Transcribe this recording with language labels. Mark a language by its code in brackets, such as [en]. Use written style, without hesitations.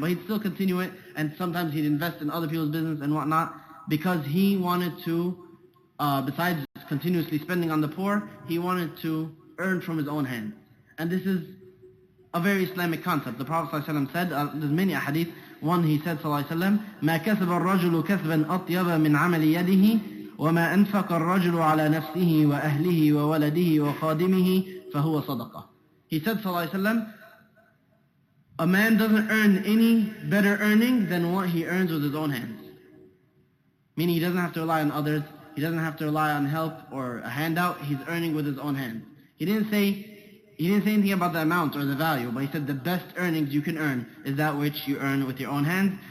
[en] But he'd still continue it, and sometimes he'd invest in other people's business and whatnot, because he wanted to, besides continuously spending on the poor, he wanted to earn from his own hand. And this is a very Islamic concept. The Prophet ﷺ said, there's many ahadith. One, he said, [ar] ﷺ, مَا كَسَبَ الرَّجُلُ كَسْبًا أَطْيَبَ مِنْ عَمَلِ يَدِهِ وَمَا أَنْفَقَ الرَّجُلُ عَلَى نَفْسِهِ وَأَهْلِهِ وَوَلَدِهِ وَخَادِمِهِ فَهُوَ صَدَقَةً. [en] He said, ﷺ, a man doesn't earn any better earning than what he earns with his own hands. Meaning he doesn't have to rely on others. He doesn't have to rely on help or a handout. He's earning with his own hands. He didn't say anything about the amount or the value, but he said the best earnings you can earn is that which you earn with your own hands.